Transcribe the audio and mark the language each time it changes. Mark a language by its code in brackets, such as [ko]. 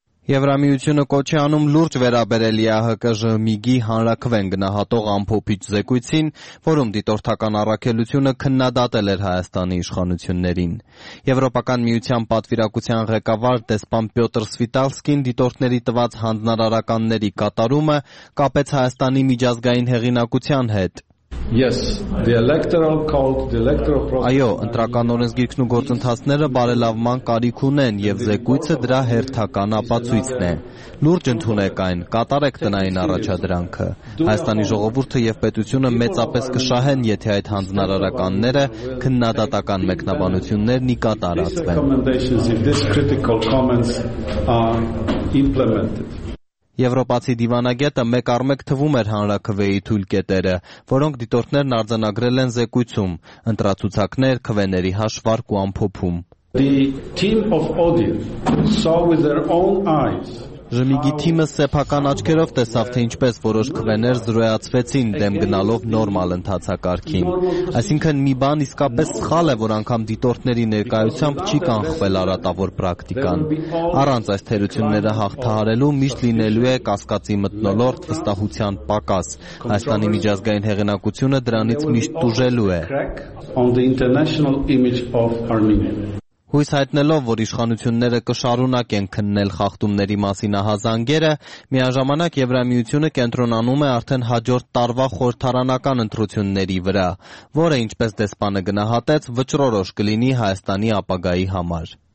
[hy] Եվրամիությունը կոչ է անում լուրջ վերաբերել ԵԱՀԿ-ժ ՄԻԳ-ի հանրաքվեն գնահատող ամփոփիչ զեկույցին, որում դիտորդական առաքելությունը քննադատել էր Հայաստանի իշխանություններին։ Եվրոպական միության պատվիրակության ղեկավար դեսպան Պյոտր Սվիտալսկին դիտորդների տված հանձնարարականների կատարումը կապեց Հայաստանի միջազգային հեղինակության հետ։ [en] Yes, the electoral code, the electoral process. [hy] Այո, ընտրական օրենսգիրքն ու գործընթացները բարելավման կարիք ունեն եւ զեկույցը դրա հերթական ապացույցն է։ Լուրջ ընդունեք այն, կատարեք տնային առաջադրանքը։ Հայաստանի ժողովուրդը եւ պետությունը մեծապես կշահեն, եթե այդ հանձնարարականները քննադատական մեկնաբանություններն ի կատարածվեն։ Եվրոպացի դիվանագետը մեկ առ մեկ թվում էր հանրաքվեի թույլ կետերը, որոնք դիտորդներն արձանագրել են զեկույցում, ընտրացուցակներ, քվեների հաշվարկ ու ամփոփում։ [en] The team of audit saw with their own eyes. [hy] ԺՄԻԳ-ի թիմը սեփական աչքերով տեսավ, թե ինչպես որոշ քվեներ զրոյացվեցին դեմ գնալով նորմալ ընթացակարգին։ Այսինքն մի բան իսկապես սխալ է, որ անգամ դիտորդների ներկայությամբ չի կանխվել արատավոր պրակտիկան։ Առանց այս թերությունները հաղթահարելու միշտ լինելու է կասկածի մթնոլորտ վստահության պակաս։ Հայաստանի միջազգային հեղինակությունը դրանից միշտ տուժելու է։ Հույս հայտնելով, որ իշխանությունները կշարունակեն քննել խախտումների մասին ահազանգերը, միաժամանակ Եվրամիությունը կենտրոնանում է արդեն հաջորդ տարվա խորհրդարանական ընտրությունների վրա, որը, ինչպես դեսպանը գնահատեց, վճռորոշ կլինի Հայաստանի ապագայի համար։